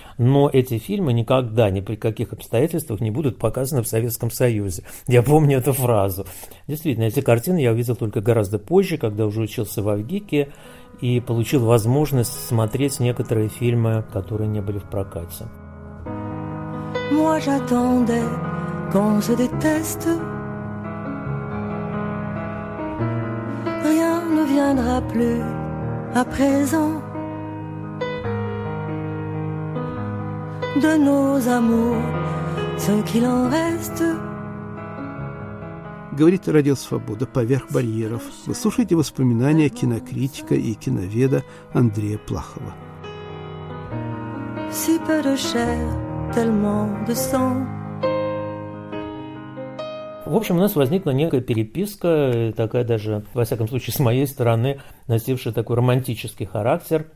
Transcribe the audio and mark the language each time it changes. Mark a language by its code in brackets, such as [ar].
[ru] Но эти фильмы никогда, ни при каких обстоятельствах, не будут показаны в Советском Союзе. Я помню эту фразу. Действительно, эти картины я увидел только гораздо позже, когда уже учился в АВГИКе и получил возможность смотреть некоторые фильмы, которые не были в прокате. [fr] Moi j'attendais qu'on se déteste. Rien ne viendra plus à présent. De nos amours, ce qu'il en reste. [ru] Говорит Радио Свобода «Поверх барьеров». Вы слушаете воспоминания кинокритика и киноведа Андрея Плахова. [fr] Si peu de chair, tellement de sang. [ru] В общем, у нас возникла некая переписка, такая даже, во всяком случае, с моей стороны, носившая такой романтический характер.